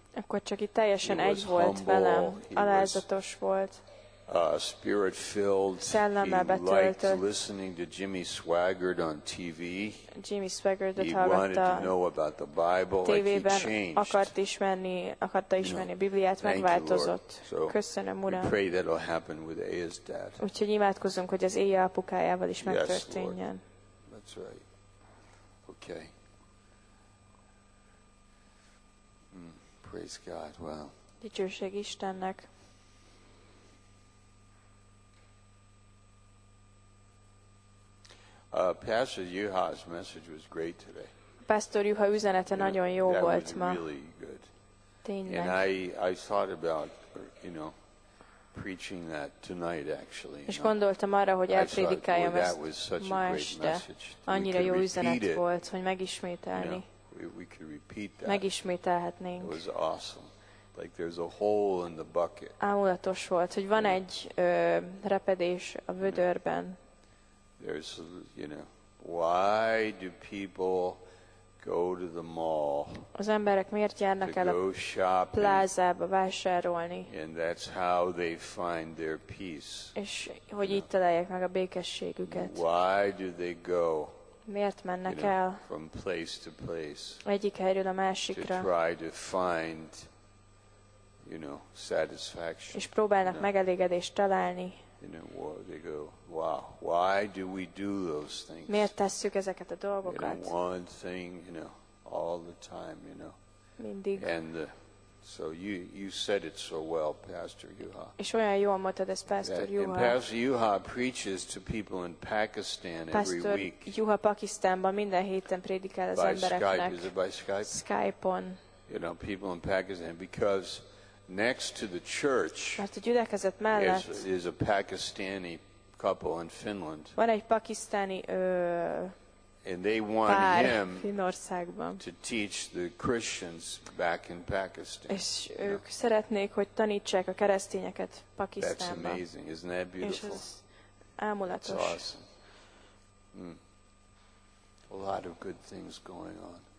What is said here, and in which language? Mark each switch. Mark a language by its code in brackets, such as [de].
[hu] Akkor csak így teljesen egy volt velem, alázatos volt. [en] Spirit-filled. [hu] Szellemmel betöltött. [en] He liked listening to Jimmy Swaggart on TV. [hu] Jimmy Swaggart-ot hallgatta. [en] He wanted to know about the Bible. [hu] TV-ben [en] like he changed. [hu] Akarta ismerni a Bibliát, megváltozott. Köszönöm, Uram. [en] So we pray that'll happen with A's dad. [hu] Úgyhogy imádkozunk, hogy az A apukájával is megtörténjen. [en] Yes, that's right. Okay. Praise God. Well. [hu] Dicsőség Istennek. [en] Pastor Juha's message was great today. [hu] Pastor Juha üzenete nagyon jó volt ma. [en] Really good. [hu] Tényleg. [en] And I thought about preaching that tonight actually. [hu] És gondoltam arra, hogy elprédikáljam ezt. [en] That was such a great message. [hu] Annyira jó üzenet volt, hogy megismételni. [en] We could repeat that. [hu] Megismételhetnénk. [en] It was awesome. Like there's a hole in the bucket. [hu] Álmulatos volt, hogy van egy repedés a vödörben. [en] There's, why do people go to the mall? [hu] Az emberek miért járnak el a plázába vásárolni? [en] And that's how they find their peace. [hu] És hogy itt találják meg a békességüket? [en] Why do they go? [hu] Miért mennek el? [en] From place to place. [hu] Egyik helyről a másikra. [en] To try to find, you know, satisfaction. [hu] És próbálnak megelégedést találni. [en] You know, they go, wow, why do we do those things? [hu] Miért tesszük ezeket a dolgokat? [en] You know, one thing, you know, all the time, you know. [hu] Mindig. [en] And so you said it so well, Pastor Juha. [hu] És olyan jól mondtad ezt, Pastor Juha. [en] Pastor Juha preaches to people in Pakistan Pastor every week. [hu] Pastor Juha Pakisztánban minden héten prédikál az [en] by [hu] embereknek. [en] By Skype, is it by Skype? [hu] Skype-on. [en] You know, people in Pakistan, because next to the church is a Pakistani couple in Finland. [hu] Van egy pakisztáni [en] and they want him to teach the Christians back in Pakistan. [hu] És ők szeretnék, hogy tanítsák a keresztényeket Pakisztánban. [en] That's amazing, isn't that beautiful? [hu] És ez álmulatos. [en] That's awesome. A lot of good things going on.